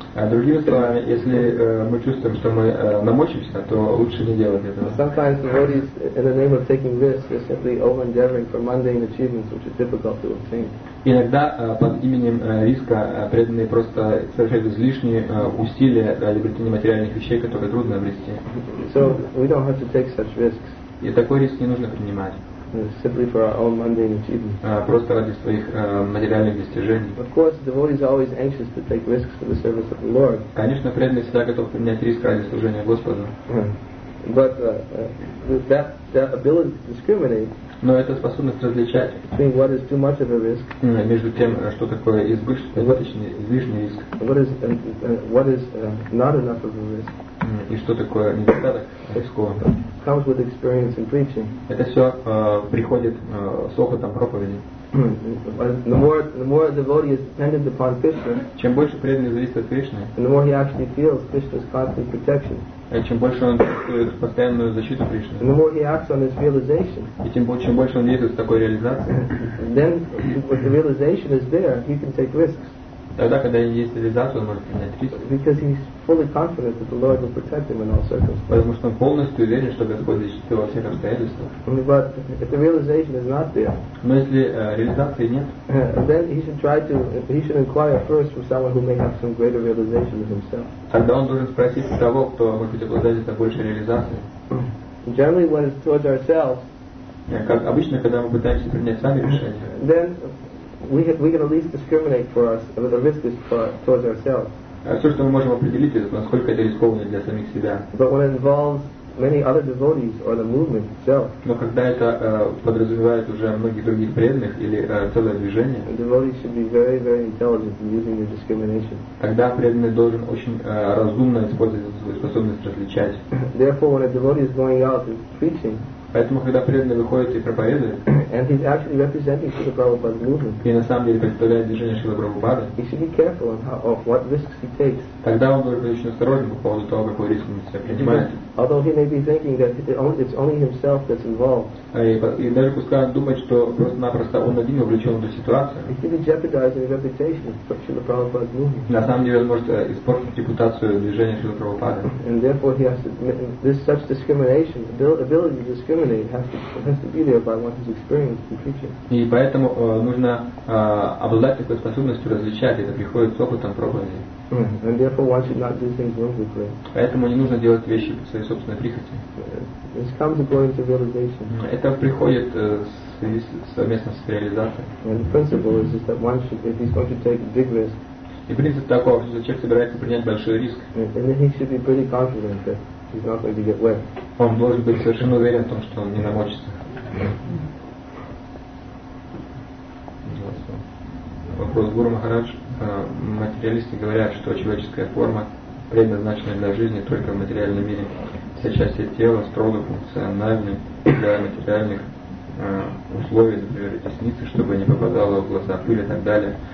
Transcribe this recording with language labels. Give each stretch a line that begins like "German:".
Russian: Другими словами, если мы чувствуем, что мы намочимся, то лучше не делать этого.
English: Sometimes devotees, in the name of taking risks, are simply over-endeavoring for mundane achievements, which are difficult to obtain.
Russian: Иногда под именем риска преданные просто совершают излишние усилия ради обретения материальных вещей, которые трудно обрести.
English: So we don't have to take such risks.
Russian: И такой риск не нужно принимать.
English: Simply for our own mundane achievements.
Russian: Просто ради своих материальных достижений.
English: Of course, devotees are always anxious to take risks for the service of the Lord.
Russian: Конечно, преданный всегда готов принять риск ради служения Господу.
English: But that ability to discriminate.
Russian: Но эта способность различать.
English: Between what is too much of a risk.
Russian: Между тем, что такое избыточный, излишний риск.
English: What is not enough of a risk.
Russian: И что такое недостаток рискованного?
English: Comes with experience in preaching.
Russian: Это все приходит с опытом проповеди.
English: The more a devotee is dependent upon Krishna,
Russian: чем больше преданный зависит от Кришны,
English: the more he actually feels Krishna's constant protection.
Russian: Чем больше он чувствует постоянную защиту Кришны,
English: the more he acts on his realization.
Russian: И чем больше он действует с такой реализацией,
English: then when the realization is there, he can take risks.
Russian: Тогда, когда есть реализация, он может принять риск.
English: Because he's fully confident that the Lord will protect him in all circumstances.
Russian: Потому что он полностью уверен, что Господь защитит его во всех обстоятельствах.
English: But if the realization is not there.
Russian: Но если реализации нет.
English: Then he should inquire first from someone who may have some greater realization than himself.
Russian: Тогда он должен спросить у того, кто может обладать это большей реализацией.
English: Generally, when it's towards ourselves.
Russian: Как обычно, когда мы пытаемся принять сами решение.
English: Then we can at least discriminate for us whether the risk is for towards ourselves.
Russian: Все, что мы можем определить, это насколько это рискованно для самих себя.
English: But when it involves many other devotees or the movement itself.
Russian: Но когда это подразумевает уже многих других преданных или целое движение.
English: Devotees should be very, very intelligent in using their discrimination.
Russian: Тогда преданный должен очень разумно использовать свою способность различать.
English: Therefore, when a devotee is going out and preaching.
Russian: Поэтому, когда преданный выходит и проповедует,
English: and he's actually representing Srila Prabhupada's movement,
Russian: и на самом деле представляет движение Шрила Прабхупады,
English: he should be careful on how, of what risks he takes.
Russian: Тогда он должен быть очень осторожен по поводу того, какой риск он себя принимает.
English: Although he may be thinking that it's only himself that's involved.
Russian: И даже пускай он думает, что просто-напросто он один увлечен в эту ситуацию.
English: He should be jeopardizing the reputation of Srila Prabhupada's movement.
Russian: На самом деле он может испортить репутацию движения Шрила Прабхупады.
English: And therefore he has to, this such discrimination, ability to discriminate, has to be there by one who's experienced in preaching.
Russian: И поэтому нужно обладать такой способностью различать, это приходит с опытом пробования.
English: And therefore one should not do things willfully.
Russian: Поэтому не нужно делать вещи по своей собственной прихоти.
English: This comes according to realization.
Russian: Это приходит совместно с реализацией.
English: And the principle is just that one should, if he's going to take big risk.
Russian: И принцип такой, что человек собирается принять большой риск.
English: And then he should be pretty confident that he's not going to get wet.
Russian: Он должен быть совершенно уверен в том, что он не намочится. Вопрос Гуру Махарадж. Материалисты говорят, что человеческая форма предназначена для жизни только в материальном мире. Все части тела строго функциональны для материальных условий, например, ресницы, чтобы не попадало в глаза пыль и так далее.